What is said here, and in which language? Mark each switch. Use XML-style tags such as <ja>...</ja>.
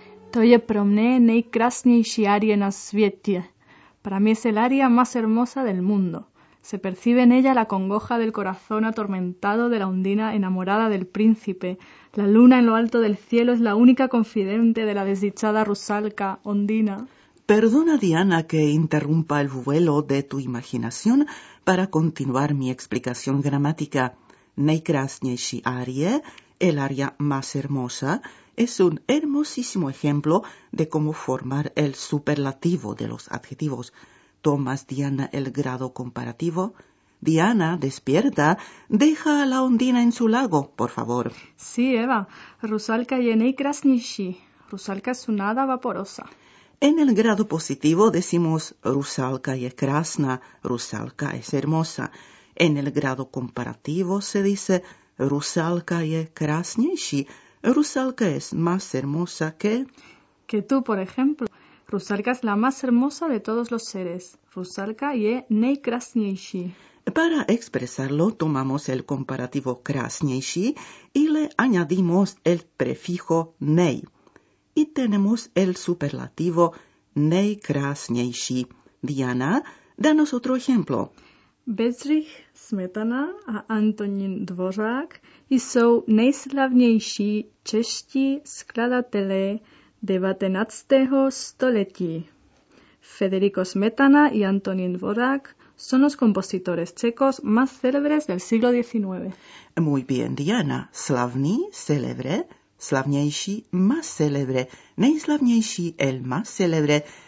<cs>To je pro mě nejkrásnější aria na světě.</cs> <es>Para mí es el aria más hermosa del mundo. Se percibe en ella la congoja del corazón atormentado de la ondina enamorada del príncipe. La luna en lo alto del cielo es la única confidente de la desdichada rusalka, ondina. Perdona, Diana, que interrumpa el vuelo de tu imaginación para continuar mi explicación gramática.</es> <cs>Nejkrásnější aria,</cs> <es>el aria más hermosa, es un hermosísimo ejemplo de cómo formar el superlativo de los adjetivos. ¿Tomas, Diana, el grado comparativo? Diana, despierta. Deja a la ondina en su lago, por favor. Sí, Eva.</es> <cs>Rusalka je nejkrásnější.</cs> <es>Rusalka es una hada vaporosa. En el grado positivo decimos</es> <cs>Rusalka je krásna.</cs> <es>Rusalka es hermosa. En el grado comparativo se dice</es> <cs>Rusalka je krásnější.</cs> <es>Rusalka es más hermosa que... Que tú, por ejemplo. Rusalka es la más hermosa de todos los seres.</es> <cs>Rusalka je najkrasnejší.</cs> <es>Para expresarlo, tomamos el comparativo krasnejší y le añadimos el prefijo nej. Y tenemos el superlativo najkrasnejší. Diana, danos otro ejemplo.</es> <cs>Bedřich Smetana a Antonín Dvořák jsou nejslavnější čeští skladatelé 19. století.</cs> <es>Federico Smetana y Antonín Dvořák son los compositores checos más célebres del siglo XIX. Muy bien, Diana. Slavný, célebre, slavnější, más célebre, nejslavnější, el más célebre.</es>